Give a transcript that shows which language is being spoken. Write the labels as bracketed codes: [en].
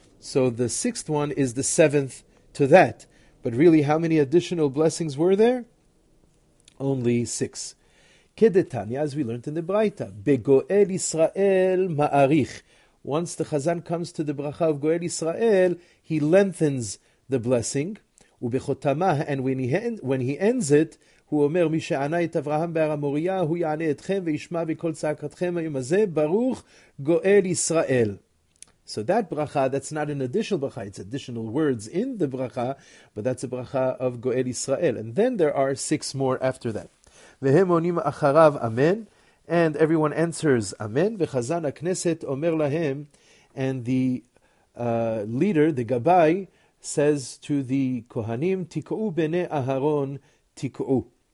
[en] So the sixth one is the seventh to that. But really, how many additional blessings were there? Only six. Kedetanya, as we learned in the Braita, [he] Begoel Israel Ma'arich. [en] Once the Chazan comes to the bracha of Goel Israel, he lengthens the blessing. [he] Ubechotamah, [en] and when he ends it, [he] הוא אומר, מי שענה את אברהם בהר המוריה, הוא יענה אתכם וישמע בכל צעקתכם היום הזה, ברוך גואל ישראל. [en] So that bracha, that's not an additional bracha, it's additional words in the bracha, but that's a bracha of גואל ישראל. And then there are six more after that. [he] והם עונים אחריו, אמן, [en] and everyone answers, [he] אמן, וחזן הכנסת אומר להם, [en] and the leader, the gabai, says to the kohanim, [he] תקעו בני אהרון, תקעו.